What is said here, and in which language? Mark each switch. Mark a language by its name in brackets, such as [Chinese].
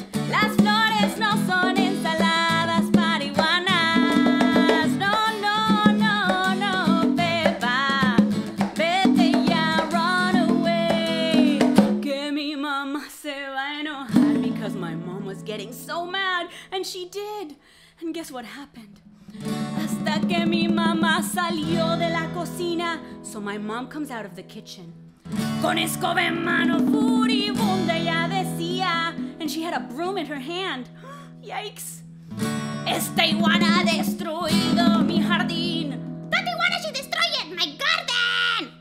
[Spanish] Las flores no son ensaladas para iguanas. No, no, no, no, Pepa. Vete ya, [English] run away. [Spanish] Que mi mamá se va a enojar, [English] because my mom was getting so mad, and she did. And guess what happened? [Spanish] Hasta que mi mamá salió de la cocina. [English] So my mom comes out of the kitchen. [Spanish] Con escoba en mano, furibunda, ella decía. [English] And she had a broom in her hand. Yikes. [Spanish] Esta iguana ha destruido mi jardín. [English] That iguana, she destroyed my garden!